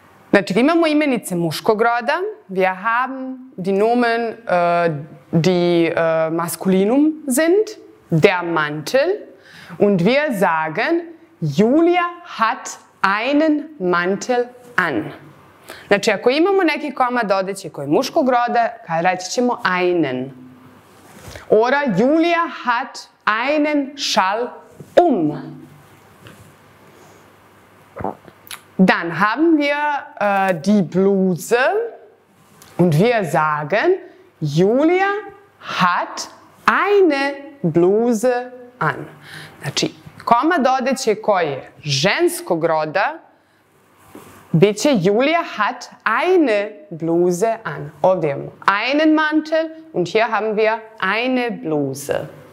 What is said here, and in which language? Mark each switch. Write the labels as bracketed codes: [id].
[sr] Znači, imamo imenice muškog roda. [de] Wir haben die Nomen, die maskulinum sind. Der Mantel. Und wir sagen, Julia hat einen Mantel an. [sr] Znači, ako imamo neki komad odeće koji je muškog roda, reći ćemo einen. [de] Oder Julia hat einen Schal um. Dann haben wir die Bluse und wir sagen, Julia hat eine Bluse an. [sr] Znači, komad odeće koje je ženskog roda, biće [de] Julia hat eine Bluse an. [sr] Ovdje imamo [de] einen Mantel und hier haben wir eine Bluse.